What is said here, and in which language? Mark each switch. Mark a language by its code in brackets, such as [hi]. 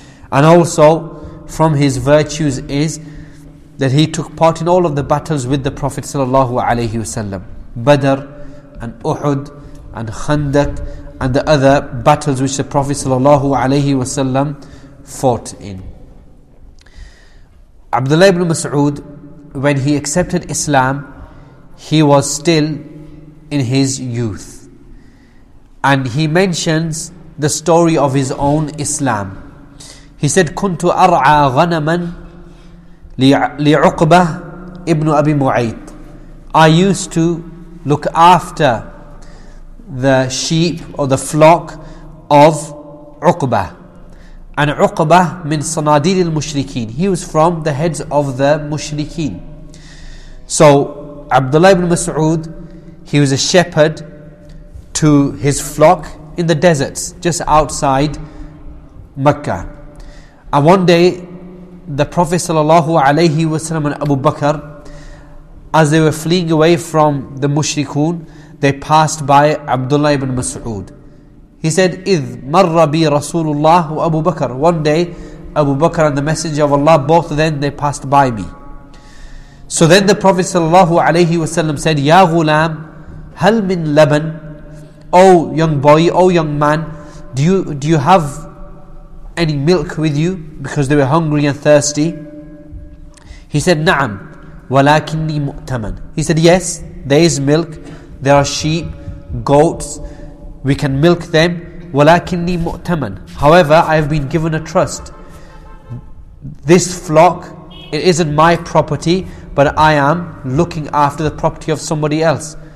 [en] And also, from his virtues is that he took part in all of the battles with the Prophet sallallahu alayhi wasallam: Badr and Uhud and Khandaq and the other battles which the Prophet sallallahu alayhi wasallam fought in. Abdullah ibn Mas'ud, when he accepted Islam, he was still in his youth. And he mentions the story of his own Islam. [ar] He said, كنت أرعى غنما لعقبة ابن أبي معيط. [en] I used to look after the sheep or the flock of Uqba. And [ar] Uqba من صناديد المشركين. [en] He was from the heads of the mushrikeen. So Abdullah ibn Mas'ud, he was a shepherd to his flock in the deserts just outside Mecca. And one day the Prophet sallallahu alayhi wasallam and Abu Bakr, as they were fleeing away from the mushrikun, they passed by Abdullah ibn Mas'ud. [ar] He said, إِذْ مَرَّ بِي رَسُولُ اللَّهُ وَأَبُو بَكَرُ. [en] One day, Abu Bakr and the Messenger of Allah, both of them, they passed by me. So then the Prophet sallallahu alayhi wa sallam said, [ar] يَا غُلَامْ هَلْ مِنْ لَبَنْ. [en] O young boy, O young man, do you have any milk with you? Because they were hungry and thirsty. [ar] He said, نَعَمْ وَلَكِنِّي مُؤْتَمَنْ. [en] He said, yes, there is milk. There are sheep, goats, we can milk them. [ar] وَلَكِنِّي مُؤْتَمَنْ. [en] However, I have been given a trust. This flock, it isn't my property, but I am looking after the property of somebody else.